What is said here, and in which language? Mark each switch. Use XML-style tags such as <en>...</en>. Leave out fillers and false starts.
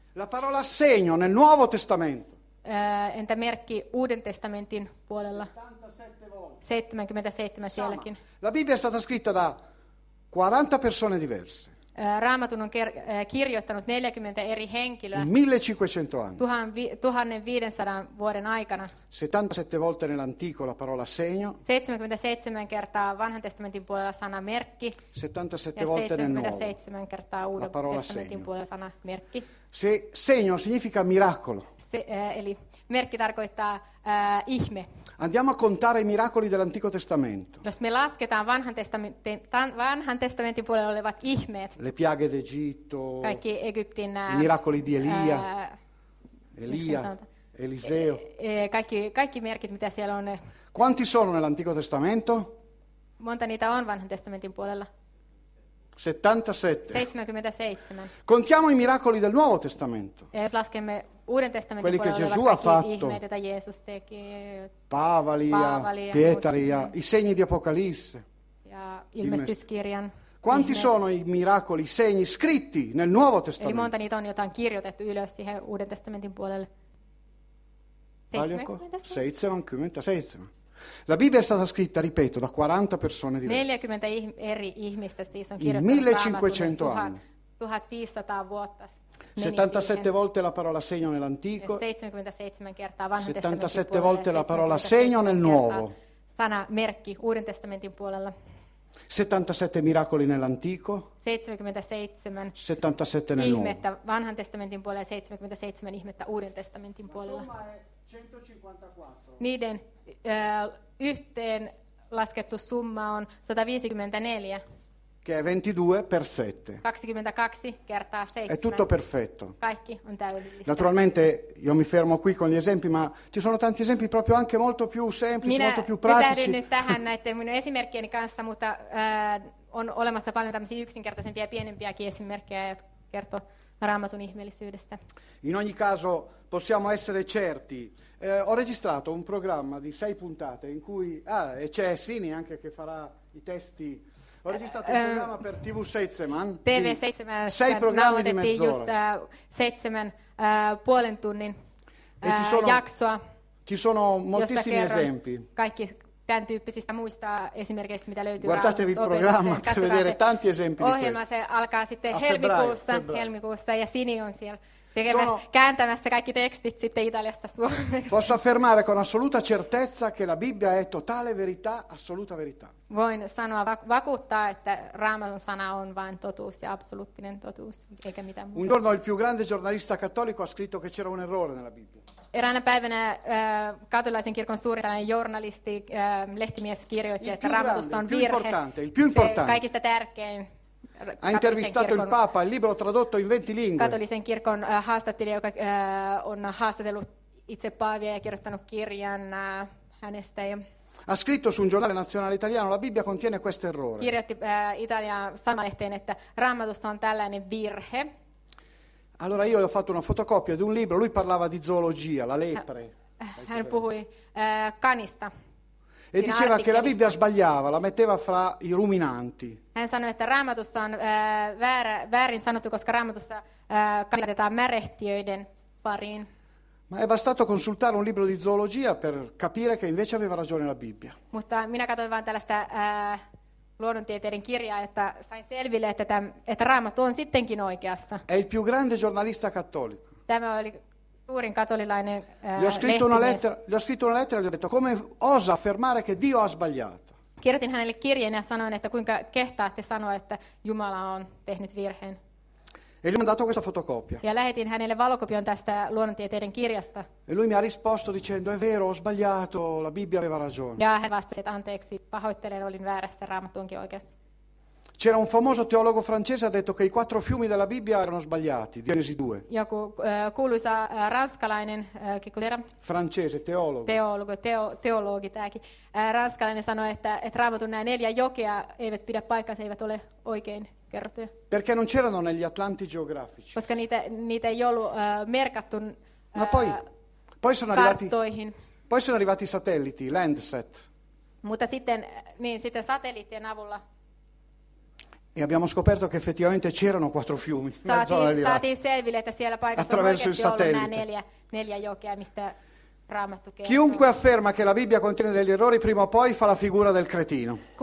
<it>La parola segno nel Nuovo Testamento.</it> <fi>Entä merkki Uuden testamentin puolella?</fi> <it>77 volte.</it> <fi>77 sielläkin.</fi> <it>La Bibbia è stata scritta da 40 persone diverse.</it> <fi>Raamatun on kirjoittanut 40 eri henkilöä.</fi> <it>1500 anni.</it> <fi>1500 vuoden aikana.</fi> <it>77 volte nell'antico la parola segno.</it> <fi>77 kertaa Vanhan testamentin puolella sana merkki.</fi> <it>77 volte nel nuovo.</it> <fi>77 kertaa Uuden testamentin puolella sana merkki.</fi> <it>Se segno significa miracolo.</it> <fi>Eli merkki tarkoittaa ihme.</fi> <it>Andiamo a contare i miracoli dell'Antico Testamento.</it> <fi>Jos me lasketaan vanhan testamentin puolella olevat ihmeet.</fi> <it>Le piaghe d'Egitto.</it> <fi>Kaikki Egyptin.</fi> <it>I miracoli di Elia, Eliseo.</it> <fi>Kaikki merkit, mitä siellä on.</fi> <it>Quanti sono nell'Antico Testamento?</it> <fi>Monta niitä on Vanhan testamentin puolella. 77. 77.</fi> <it>Contiamo i miracoli del Nuovo Testamento.</it> <fi>Jos laskemme Uuden testamentin</fi> <it>quelli</it> <fi>puolella</fi> <it>che Gesù ha fatto.</it> <fi>Ihmeet, joita Jeesus teki. Paavalia, Pietaria,</fi> <it>i segni di Apocalisse.</it> <fi>Ja ilmestyskirjan.</fi> <it>Quanti</it> <fi>ihmeet.</fi> <it>Sono i miracoli, i segni scritti nel Nuovo Testamento?</it> <fi>Eli monta niitä on, jota on kirjoitettu ylös siihen Uuden testamentin puolelle. 77.</fi> <it>La Bibbia è stata scritta, ripeto, da 40 persone diverse.</it> <fi>40 eri ihmistä siis on kirjoittanut.</fi> <it>In 1500 anni.</it> <fi>1500 vuotta.</fi> <it>77 volte la parola segno nell'antico.</it> <fi>77 kertaa Vanhan testamentin.</fi> <it>77 volte la parola segno nel nuovo.</it> <fi>Sana merkki Uuden testamentin puolella.</fi> <it>77 miracoli nell'antico. 77. 77 nel nuovo.</it> <fi>Ihmettä Vanhan testamentin puolella 77 ihmettä Uuden testamentin puolella.</fi> <it>La somma è 154.</it> <fi>Niiden yhteen laskettu summa on 154.</fi> <it>Che è 22 per 7.</it> <fi>22 kertaa 7.</fi> <it>È tutto perfetto.</it> <fi>Kaikki on täydellistä.</fi> <it>Naturalmente io mi fermo qui con gli esempi, ma ci sono tanti esempi proprio anche molto più semplici,</it> <fi>minä</fi> <it>molto più pratici.</it> <fi>Pysähdyn nyt tähän näiden minun esimerkkieni kanssa, mutta on olemassa paljon tämmöisiä yksinkertaisempia ja pienempiäkin esimerkkejä, jotka kertoo Raamatun ihmeellisyydestä.</fi> <it>In ogni caso possiamo essere certi. Ho registrato un programma di 6 puntate in cui e c'è Sini anche che farà i testi. Ho registrato un programma per TV Seitsemän.</it> <fi>TV Seitsemän.</fi> <it>6 programmi di mezz'ora.</it> <fi>Just 7 puolen tunnin jaksoa.</fi> <it>Ci sono moltissimi esempi.</it> <fi>Kaikki tämän tyyppisistä muista esimerkkeistä, mitä löytyy.</fi> <it>Guardatevi il programma per vedere tanti esempi di questo.</it> <fi>Ohjelma se alkaa sitten helmikuussa ja Sini on siellä. Kääntämässä kaikki tekstit sitten Italiasta suomeksi.</fi> <it>Posso affermare con assoluta certezza che la Bibbia è totale verità, assoluta verità.</it> <fi>Voin sanoa vakuuttaa, että Raamatun sana on vain totuus ja absoluuttinen totuus, eikä mitään muuta.</fi> <it>Un giorno il più grande giornalista cattolico ha scritto che c'era un errore nella Bibbia.</it> <fi>Eräänä päivänä katolilaisen kirkon suuri journalisti, lehtimies kirjoitti, että Raamatussa on virhe.</fi> <it>Il più importante.</it> <fi>Kaikista tärkein.</fi> <it>Ha intervistato il Papa, il libro tradotto in 20 lingue.</it> <fi>Katolisen kirkon haastattelija, joka on haastatellut itse Paavia ja kirjoittanut kirjan hänestä.</fi> <it>Ha scritto su un giornale nazionale italiano, la Bibbia contiene questo errore.</it> <fi>Kirjoitti Italian sanomalehteen, että Raamatussa on tällainen virhe.</fi> <it>Allora io ho fatto una fotocopia di un libro, lui parlava di zoologia, la lepre.</it> <fi>Hän puhui kanista.</fi> <it>E diceva che la Bibbia sbagliava, la metteva fra i ruminanti.</it> <fi>Hän sanoi, että Raamatussa on väärin sanottu, koska Raamatussa kannatetaan märehtiöiden pariin.</fi> <it>Ma è bastato consultare un libro di zoologia per capire che invece aveva ragione la Bibbia.</it> <fi>Mutta minä katsoin vain tällaista luonnontieteiden kirjaa, että sain selville, että Raamattu on sittenkin oikeassa.</fi> <it>È il più grande giornalista cattolico.</it> <fi>Tämä oli suurin katolilainen</fi> <it>Gli ho scritto una lettera e gli ho detto, come osa affermare che Dio ha sbagliato?</it> <fi>Kirjoitin hänelle kirjeen ja sanoin, että kuinka kehtaatte sanoa, että Jumala on tehnyt virheen.</fi> <it>E lui mi ha dato questa fotocopia.</it> <fi>Ja lähetin hänelle valokopion tästä luonnontieteiden kirjasta.</fi> <it>E lui mi ha risposto dicendo, è vero, ho sbagliato, la Bibbia aveva ragione.</it> <fi>Ja hän vastasi, että anteeksi, pahoittelen, olin väärässä, Raamattu onkin oikeassa.</fi> <it>C'era un famoso teologo francese che ha detto che i quattro fiumi della Bibbia erano sbagliati, Genesi 2.</it> <fi>Joku kuului ranskalainen,</fi> <it>che cos'era? Francese, teologo.</it> <fi>Teologi tämäkin. Ranskalainen sanoi, että Raamatun nämä neljä jokea eivät pidä paikkaansa, eivät ole oikein kerrottuja.</fi> <it>Perché non c'erano negli atlanti geografici.</it> <fi>Koska niitä ei ollut merkattu.</fi> <it>Ma poi sono arrivati. Poi sono arrivati i satelliti, Landsat.</it> <fi>Mutta sitten, niin sitten satelliittien avulla.</fi> <it>E abbiamo scoperto che effettivamente c'erano quattro fiumi.</it> <fi>Saatiin selville, että siellä paikassa</fi> <it>attraverso il satellite.</it> <fi>Neljä jokea, mistä Raamattu kertoo.</fi> <it>Chiunque afferma che la Bibbia contiene degli errori, prima o poi fa la figura del cretino.</it>